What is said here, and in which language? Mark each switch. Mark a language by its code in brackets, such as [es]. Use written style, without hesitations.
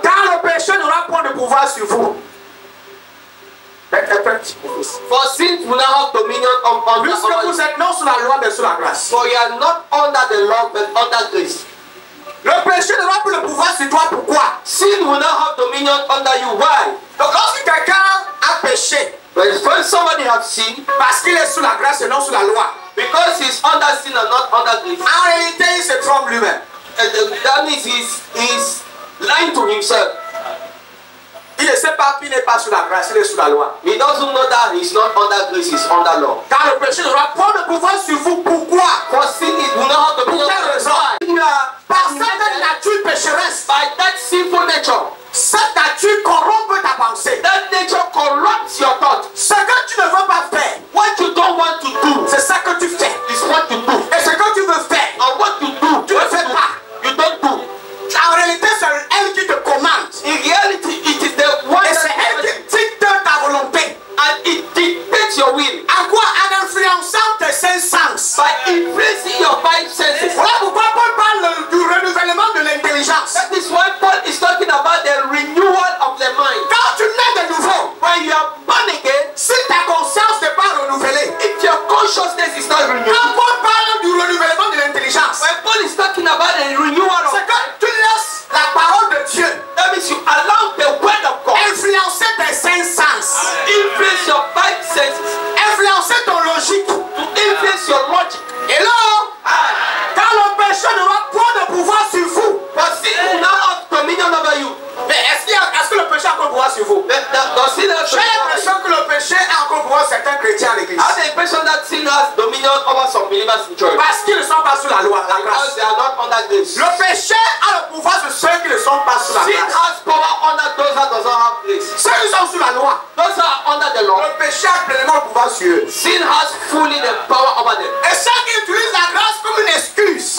[fr] Car le péché n'aura point de pouvoir sur vous. [en] For sin will not have dominion on the Lord. [fr] Puisque vous êtes non sous la loi, mais sous la grâce. [en] For you are not under the law, but under grace. [fr] Le péché n'aura plus le pouvoir sur toi, pourquoi? [en] Sin will not have dominion under you, why? [fr] Donc lorsque quelqu'un a péché, [en] when somebody has sin, [fr] parce qu'il est sous la grâce et non sous la loi, [en] because he's under sin and not under grace, [fr] en réalité il se trompe lui-même. [en] That means he's lying to himself. [fr] Il ne sait pas qu'il n'est pas sous la grâce, il est sous la loi. [en] He doesn't know that he's not under grace, he's under law. [fr] Car le péché n'aura pas de pouvoir sur vous, pourquoi? [en] For sin it will not have dominion under you. [fr] Par cette nature pécheresse, [en] by that sinful nature, [fr] cette nature corrompt ta pensée. [en] That nature corrupts your thought. [fr] Ce que tu ne veux pas faire, [en] what you don't want to do, [fr] c'est ça que tu fais, [en] is what you do. [fr] Et ce que tu veux faire, [en] or what you do, [fr] tu ne fais pas, [en] you don't do. [fr] En réalité, c'est elle qui te commande. [en] In reality, it is the one. [fr] Et c'est elle qui dicte ta volonté. [en] And it dictates your will. [fr] En quoi? En influençant tes cinq sens. [en] By influencing your five senses. [fr] Voilà pourquoi Paul parle du renouvellement de l'intelligence. [en] That is why Paul is talking about the renewal of the mind. [fr] Quand tu nais de nouveau, [en] when you are born again, [fr] si ta conscience n'est pas renouvelée, [en] if your consciousness is not renewed, [fr] quand Paul parle du renouvellement de l'intelligence, [en] when Paul is talking about the renewal of, [fr] c'est quand tu laisses la parole de Dieu, [en] that means you allow the word of God, [fr] influencer tes cinq sens. [en] Influence your five senses. [fr] Influencer ton logique. [en] To influence your logic. Hello? [fr] Quand le péché n'aura point de pouvoir sur vous, [en] does it not have dominion over you? [fr] Mais est-ce que le péché a encore pouvoir sur vous? [en] Does it have dominion? [fr] J'ai l'impression que le péché a encore pouvoir sur certains chrétiens à l'église. [en] I have the impression that sin has dominion over some believers in church. [fr] Parce qu'ils ne sont pas sous la loi, la grâce. [en] They are not under grace. [fr] Le péché a le pouvoir sur ceux qui ne sont pas sous la grâce. [en] Sin has power under those that does not have grace. [fr] Ceux qui sont sous la loi, [en] those are under the law. [fr] Le péché a pleinement le pouvoir sur eux. [en] Sin has fully the power over them. [fr] Et ceux qui utilisent la grâce comme une excuse,